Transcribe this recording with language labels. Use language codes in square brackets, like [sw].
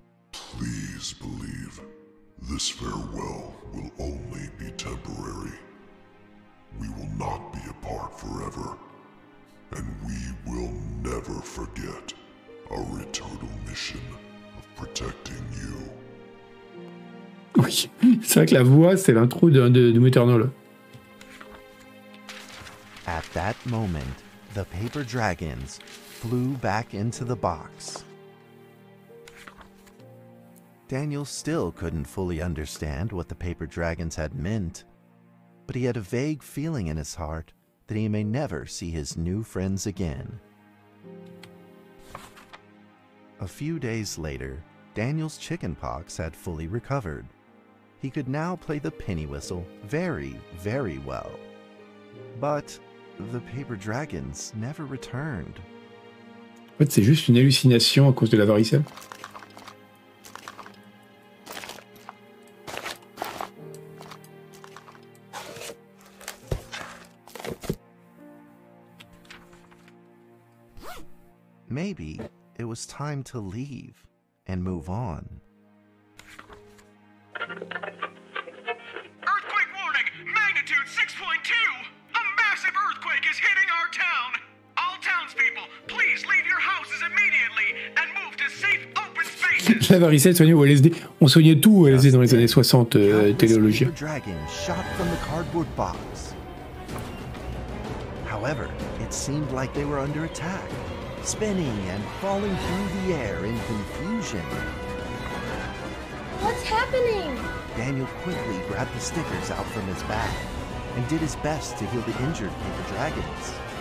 [en] Please believe, this farewell will only be temporary. We will not be apart forever, and we will never forget our eternal mission of protecting you. [fr] Oui, c'est vrai que la voix, c'est l'intro de Eternal. [en] At that moment, the paper dragons flew back into the box. Daniel still couldn't fully understand what the paper dragons had meant, but he had a vague feeling in his heart that he may never see his new friends again. A few days later, Daniel's chicken pox had fully recovered. He could now play the penny whistle very, very well. But the paper dragons never returned. [fr] En fait, c'est juste une hallucination à cause de la varicelle. [en] maybe it was time to leave and move on. Earthquake warning! Magnitude 6.2! A massive earthquake is hitting our town! All townspeople, please leave your houses immediately and move to safe open spaces! [fr] La varicelle soignée au LSD. On soignait tout au LSD dans les années 60, technologie. [en] Dragon shot from the cardboard box. However, it seemed like they were under attack, spinning and falling through the air in confusion. What's happening? Daniel quickly grabbed the stickers out from his bag and did his best to heal the injured paper dragons.